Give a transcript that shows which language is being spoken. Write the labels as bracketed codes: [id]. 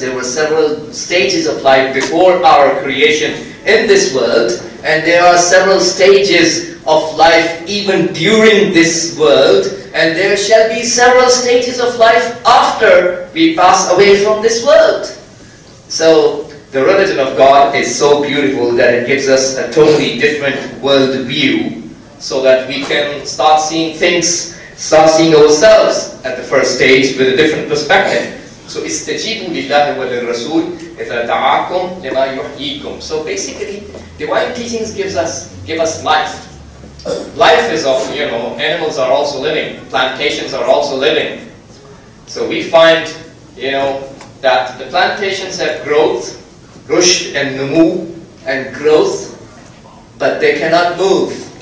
[en] There were several stages of life before our creation in this world, and there are several stages of life even during this world, and there shall be several stages of life after we pass away from this world. So the religion of God is so beautiful that it gives us a totally different world view, so that we can start seeing things, start seeing ourselves at the first stage with a different perspective. [ar] So استجيبوا لله وللرسول إذا دعاكم لما يحييكم. [en] So basically, divine teachings give us life. Life is of, you know, animals are also living, plantations are also living. So we find, you know, that the plantations have growth, rushd and numu, and growth, but they cannot move.